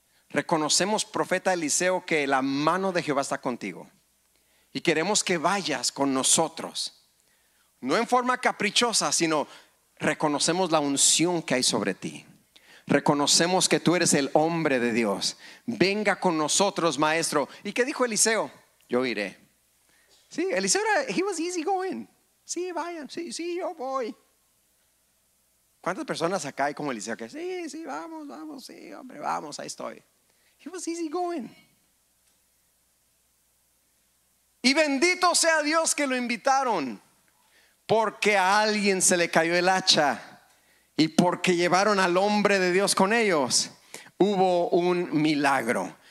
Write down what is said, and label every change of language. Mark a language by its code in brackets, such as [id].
[es] Reconocemos, profeta Eliseo, que la mano de Jehová está contigo y queremos que vayas con nosotros. No en forma caprichosa, sino reconocemos la unción que hay sobre ti. Reconocemos que tú eres el hombre de Dios. Venga con nosotros, maestro. ¿Y qué dijo Eliseo? Yo iré. Sí, Eliseo era, [en] he was easy going. [es] Sí, vayan, sí, yo voy. ¿Cuántas personas acá hay como Eliseo? Que sí, vamos, sí, hombre, vamos, ahí estoy. [en] He was easy going. [es] Y bendito sea Dios que lo invitaron, porque a alguien se le cayó el hacha y porque llevaron al hombre de Dios con ellos, hubo un milagro.